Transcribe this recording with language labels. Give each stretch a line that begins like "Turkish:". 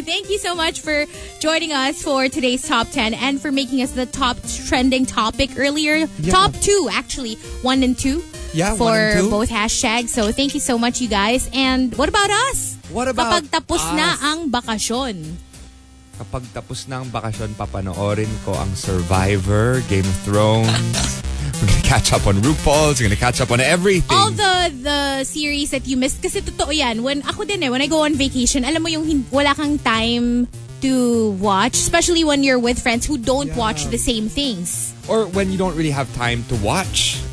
English: Thank you so much for joining us for today's Top 10 and for making us the top trending topic earlier. Yeah. Top 2, actually. 1 and 2. Yeah, for 1 and 2. Both hashtags. So thank you so much, you guys. And what about us? What about
Filipino: kapag tapos
English: us?
Filipino: Na ang bakasyon. kapag tapos na ang bakasyon, papanoorin ko ang Survivor, Game of Thrones.
English: We're gonna catch up on RuPaul's. We're gonna catch up on everything. All the series that you missed.
Filipino: Kasi totoo yan.
English: When
Filipino: ako din eh,
English: when I go on vacation,
Filipino: alam mo yung wala kang
English: time to watch. Especially when you're with friends who don't watch the same things. Or when you don't really have time to watch.